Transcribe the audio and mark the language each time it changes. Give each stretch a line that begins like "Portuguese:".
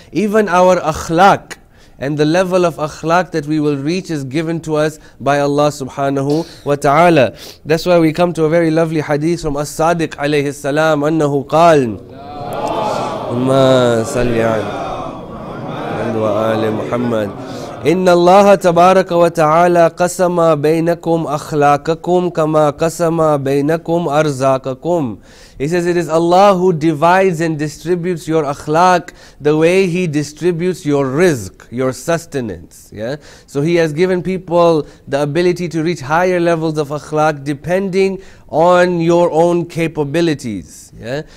English: Even our akhlaq and the level of akhlaq that we will reach is given to us by Allah subhanahu wa ta'ala. That's why we come to a very lovely hadith from As-Sadiq alayhi salam,
Arabic: annahu qal, umma salli ala wa ali Muhammad. إن الله تبارك وتعالى قسم بينكم أخلاقكم كما قسم بينكم أرزاقكم.
English: He says it is Allah who divides and distributes your akhlaq the way He distributes your rizq, your sustenance. Yeah. So He has given people the ability to reach higher levels of akhlaq depending on your own capabilities. Yeah.